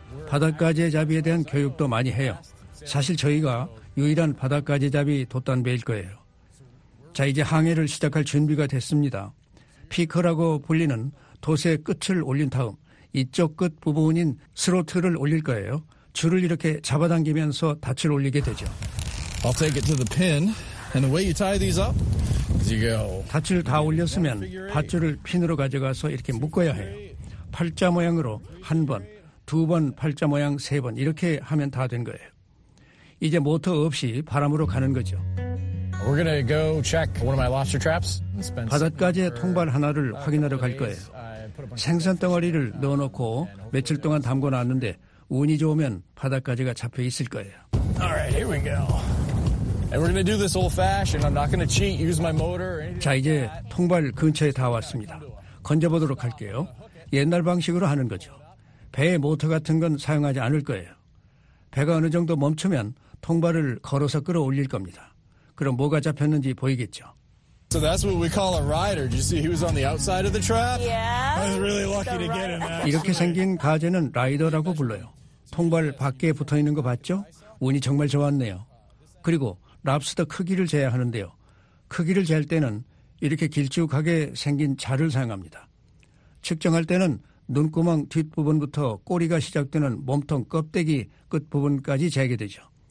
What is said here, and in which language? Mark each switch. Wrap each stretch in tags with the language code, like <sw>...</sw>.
<ko>바닷가지잡이에 대한 교육도 많이 해요. 사실 저희가 유일한 바닷가지잡이 돛단배일 거예요. 자, 이제 항해를 시작할 준비가 됐습니다. 피커라고 불리는 돛의 끝을 올린 다음 이쪽 끝 부분인 스로틀을 올릴 거예요. 줄을 이렇게 잡아당기면서 닻을 올리게 되죠.</ko> <en>I'll take it to the pin. And the way you tie these up is you go.</en> <ko>닻줄 다 올렸으면 밧줄을 핀으로 가져가서 이렇게 묶어야 해요. 팔자 모양으로 한 번, 두 번 팔자 모양 세 번 이렇게 하면 다 된 거예요. 이제 모터 없이 바람으로 가는 거죠.</ko> <en>We're gonna go check one of my lobster traps.</en> <ko>바닷가재 통발 하나를 확인하러 갈 거예요. 생선 덩어리를 넣어놓고 며칠 동안 담궈놨는데 운이 좋으면 바닷가재가 잡혀 있을 거예요.</ko> <en>All right, here we go. And we're going to do this old fashioned. I'm not going to cheat. Use my motor.</en> <ko>자, 이제 통발 근처에 다 왔습니다. 건져 보도록 할게요. 옛날 방식으로 하는 거죠. 배에 모터 같은 건 사용하지 않을 거예요. 배가 어느 정도 멈추면 통발을 걸어서 끌어올릴 겁니다. 그럼 뭐가 잡혔는지 보이겠죠.</ko> <en>So that's what we call a rider. Did you see he was on the outside of the trap? Yeah. I was really lucky to get him.</en> <ko>이렇게 생긴 가재는 라이더라고 불러요. 통발 밖에 붙어 있는 거 봤죠? 운이 정말 좋았네요. 그리고 랍스터 크기를 재야 하는데요. 크기를 잴 때는 이렇게 길쭉하게 생긴 자를 사용합니다. 측정할 때는 눈구멍 뒷부분부터 꼬리가 시작되는 몸통 껍데기 끝부분까지 재게 되죠.</ko>